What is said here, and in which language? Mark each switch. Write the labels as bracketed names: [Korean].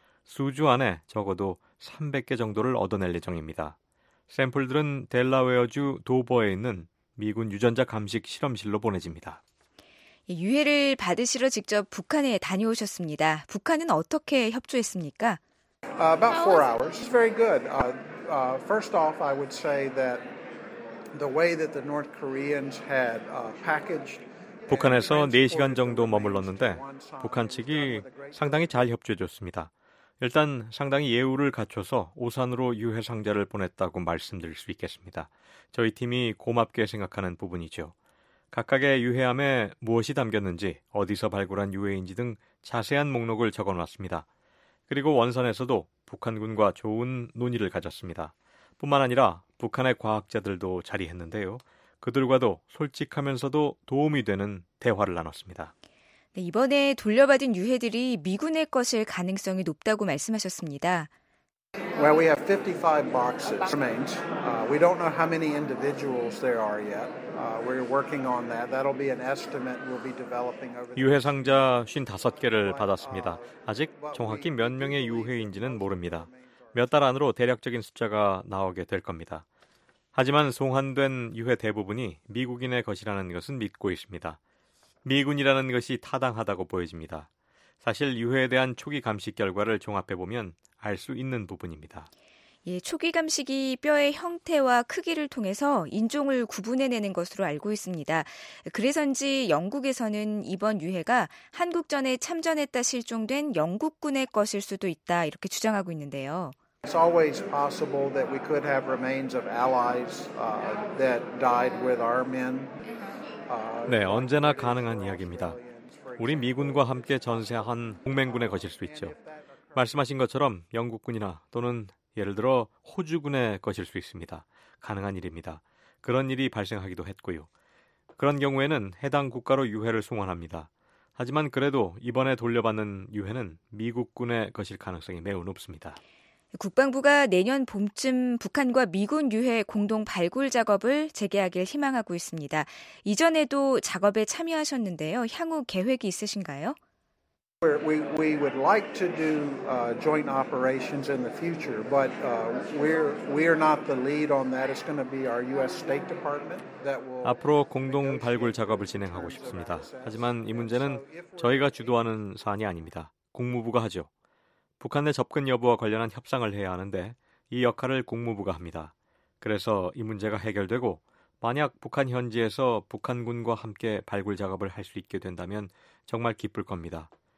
[Korean] 수주 안에 적어도 300개 정도를 얻어낼 예정입니다. 샘플들은 델라웨어주 도버에 있는 미군 유전자 감식 실험실로 보내집니다. 유해를 받으시러 직접 북한에 다녀오셨습니다. 북한은 어떻게 협조했습니까? [English] About 4 hours. It's very good. First off, I would say that the way that the North Koreans had packaged [Korean] 북한에서 4시간 정도 머물렀는데 북한 측이 상당히 잘 협조해 줬습니다. 일단 상당히 예우를 갖춰서 오산으로 유해 상자를 보냈다고 말씀드릴 수 있겠습니다. 저희 팀이 고맙게 생각하는 부분이죠. 각각의 유해함에 무엇이 담겼는지, 어디서 발굴한 유해인지 등 자세한 목록을 적어놨습니다. 그리고 원산에서도 북한군과 좋은 논의를 가졌습니다. 뿐만 아니라 북한의 과학자들도 자리했는데요. 그들과도 솔직하면서도 도움이 되는 대화를 나눴습니다. 네, 이번에 돌려받은 유해들이 미군의 것일 가능성이 높다고 말씀하셨습니다. [English] Well, we have 55 boxes remains. We don't know how many individuals there are yet. We're working on that. That'll be an estimate we'll be developing over. [Korean] 유해 상자 55개를 받았습니다. 아직 정확히 몇 명의 유해인지는 모릅니다. 몇 달 안으로 대략적인 숫자가 나오게 될 겁니다. 하지만 송환된 유해 대부분이 미국인의 것이라는 것은 믿고 있습니다. 미군이라는 것이 타당하다고 보여집니다. 사실 유해에 대한 초기 감식 결과를 종합해보면 알 수 있는 부분입니다. 예, 초기 감식이 뼈의 형태와 크기를 통해서 인종을 구분해내는 것으로 알고 있습니다. 그래서인지 영국에서는 이번 유해가 한국전에 참전했다 실종된 영국군의 것일 수도 있다 이렇게 주장하고 있는데요. [English] It's always possible that we could have remains of allies that died with our men. [Korean] 네, 언제나 가능한 이야기입니다. 우리 미군과 함께 전사한 동맹군의 것일 수 있죠. 말씀하신 것처럼 영국군이나 또는 예를 들어 호주군의 것일 수 있습니다. 가능한 일입니다. 그런 일이 발생하기도 했고요. 그런 경우에는 해당 국가로 유해를 송환합니다. 하지만 그래도 이번에 돌려받는 유해는 미국군의 것일 가능성이 매우 높습니다. 국방부가 내년 봄쯤 북한과 미군 유해 공동 발굴 작업을 재개하길 희망하고 있습니다. 이전에도 작업에 참여하셨는데요. 향후 계획이 있으신가요? [English] We would like to do joint operations in the future, but we're not the lead on that. It's going to be our U.S. State Department that will. [Korean] 앞으로 공동 발굴 작업을 진행하고 싶습니다. 하지만 이 문제는 저희가 주도하는 사안이 아닙니다. 국무부가 하죠. 북한 내 접근 여부와 관련한 협상을 해야 하는데 이 역할을 국무부가 합니다. 그래서 이 문제가 해결되고 만약 북한 현지에서 북한군과 함께 발굴 작업을 할 수 있게 된다면 정말 기쁠 겁니다.